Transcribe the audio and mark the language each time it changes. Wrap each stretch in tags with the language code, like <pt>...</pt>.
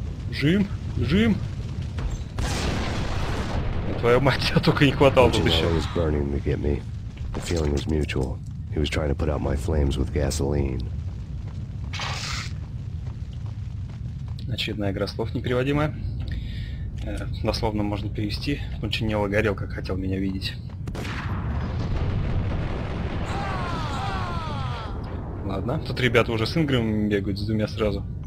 <ru>Жим, жим. Твою мать, я только не хватал тут еще.</ru> <en>Was burning to get me. The feeling was mutual. He was trying to put out my flames with gasoline.</en> <ru>Очередная игра слов непереводимая. Дословно можно перевести. Пунчинелло горел, как хотел меня видеть. Ладно, тут ребята уже с Ингримом бегают, с двумя сразу.</ru>